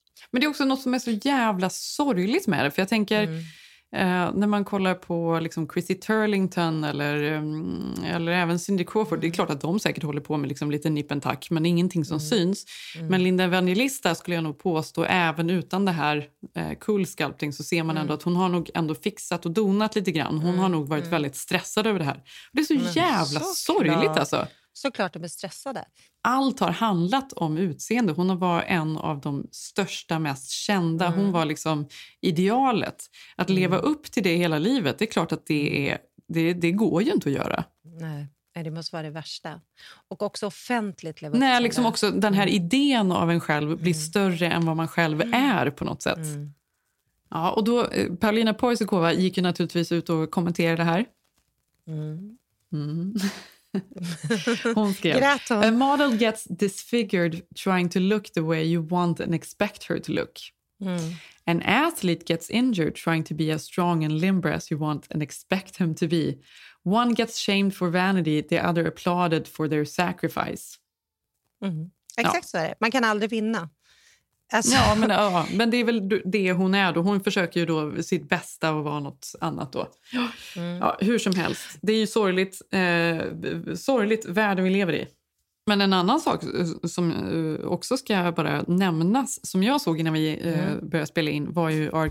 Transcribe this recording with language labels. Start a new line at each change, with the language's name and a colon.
Swedish: Men det är också något som är så jävla sorgligt med det. För jag tänker, när man kollar på liksom Chrissy Turlington eller, eller även Cindy Crawford, det är klart att de säkert håller på med liksom lite nippen tack, men ingenting som syns. Men Linda Evangelista skulle jag nog påstå, även utan det här cool sculpting, så ser man ändå att hon har nog ändå fixat och donat lite grann. Hon har nog varit väldigt stressad över det här. Och det är så jävla så sorgligt alltså. Såklart de är stressade. Allt har handlat om utseende. Hon har varit en av de största, mest kända. Hon var liksom idealet. Att leva upp till det hela livet, det är klart att det är, det går ju inte att göra. Nej, det måste vara det värsta. Och också offentligt leva upp till det. Nej, liksom också den här idén av en själv blir större än vad man själv är på något sätt. Ja, och då, Paulina Pojsikova gick ju naturligtvis ut och kommenterade det här. Hon skrev,
English: "A model gets disfigured trying to look the way you want and expect her to look. An athlete gets injured trying to be as strong and limber as you want and expect him to be. One gets shamed for vanity, the other applauded for their sacrifice."
Swedish: Exakt så är det. Man kan aldrig vinna. Alltså. Ja, men, ja, men det är väl det hon är då. Hon försöker ju då sitt bästa att vara något annat då. Ja, hur som helst. Det är ju sorgligt, sorgligt världen vi lever i. Men en annan sak som också ska bara nämnas, som jag såg innan vi började spela in, var ju R.